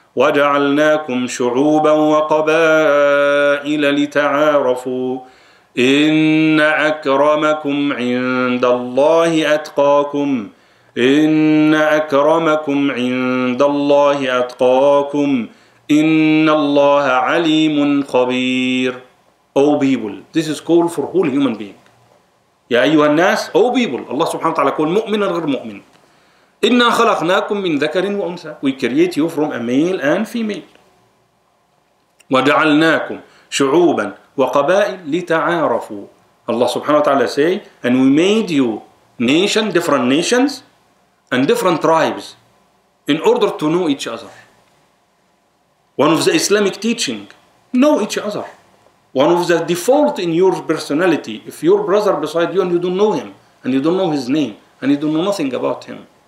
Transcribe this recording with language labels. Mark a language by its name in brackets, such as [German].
[Arabic] وجعلناكم شعوبا وقبائل لتعارفوا إن أكرمكم عند الله أتقاكم إن أكرمكم عند الله أتقاكم إن الله عليم خبير. [English] Oh people, this is call for whole human being. [Arabic] يا أيها الناس, [English] oh people, [Arabic] الله سبحانه وتعالى [English] call [Arabic] مؤمن غير مؤمن. إنا خلقناكم من ذكر وأنثى. [English] We create you from a male and female. [Arabic] وجعلناكم شعوبا وقبائل لتعارفوا. الله سبحانه وتعالى [English] say, and we made you nation, different nations and different tribes in order to know each other. One of the Islamic teaching, know each other. One of the default in your personality, if your brother beside you and you don't know him, and you don't know his name, and you don't know nothing about him.